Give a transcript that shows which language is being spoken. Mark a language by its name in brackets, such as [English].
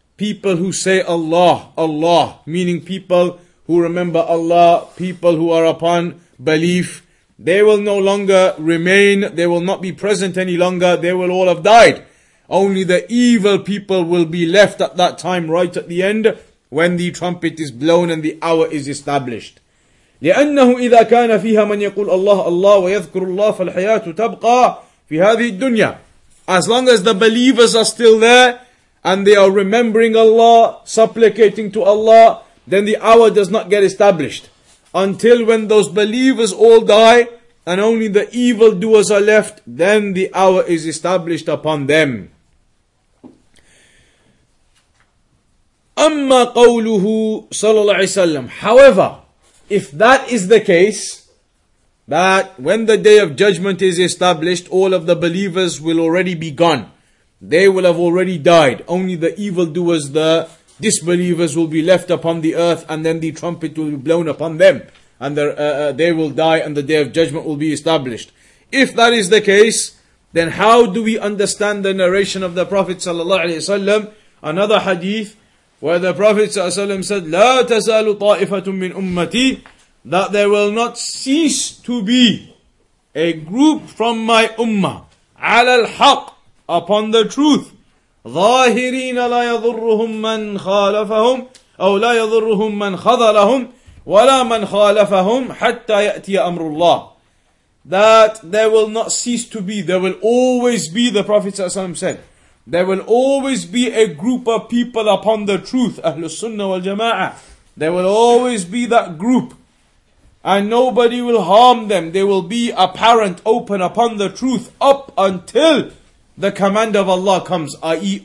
[English] people who say Allah, Allah, meaning people who remember Allah, people who are upon belief, they will no longer remain, they will not be present any longer, they will all have died. Only the evil people will be left at that time, right at the end, when the trumpet is blown and the hour is established. [Arabic] لأنه إذا كان فيها من يقول الله الله ويذكر الله فالحياة تبقى في هذه الدنيا. [English] As long as the believers are still there and they are remembering Allah, supplicating to Allah, then the hour does not get established. Until when those believers all die and only the evil doers are left, then the hour is established upon them. [Arabic] أما قوله صلى الله عليه وسلم. [English] However, if that is the case, that when the day of judgment is established, all of the believers will already be gone. They will have already died. Only the evildoers, the disbelievers, will be left upon the earth, and then the trumpet will be blown upon them. And they will die, and the day of judgment will be established. If that is the case, then how do we understand the narration of the Prophet ﷺ? Another hadith, where the Prophet ﷺ said, [Arabic] لا تزال طائفة من أمتي, [English] that there will not cease to be a group from my ummah, [Arabic] على الحق, [English] upon the truth, [Arabic] ظاهرين لا يضرهم من خالفهم, أو لا يضرهم من خذلهم, ولا من خالفهم, حتى يأتي أمر الله. [English] That there will not cease to be, there will always be, the Prophet ﷺ said, there will always be a group of people upon the truth, Ahlus Sunnah wal Jama'ah. There will always be that group. And nobody will harm them. They will be apparent, open upon the truth up until the command of Allah comes, i.e.